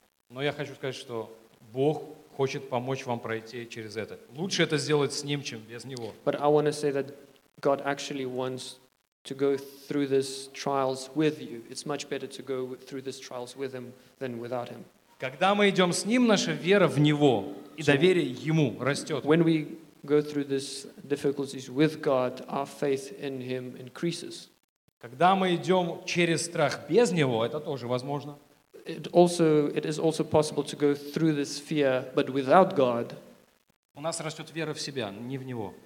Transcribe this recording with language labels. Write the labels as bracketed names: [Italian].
[Russian] Но я хочу сказать, что Бог хочет помочь вам пройти через это. Лучше это сделать с Ним, чем без Него. [English] But I want to say that God actually wants to go through these trials with you. It's much better to go through these trials with Him than without Him. [Russian] Когда мы идем с Ним, наша вера в Него и доверие Ему растет. [English] When we go through these difficulties with God, our faith in Him increases. [Russian] Когда мы идем через страх без Него, это тоже возможно. [English] It is also possible to go through this fear, but without God. [Russian] У нас растет вера в себя, не в Него.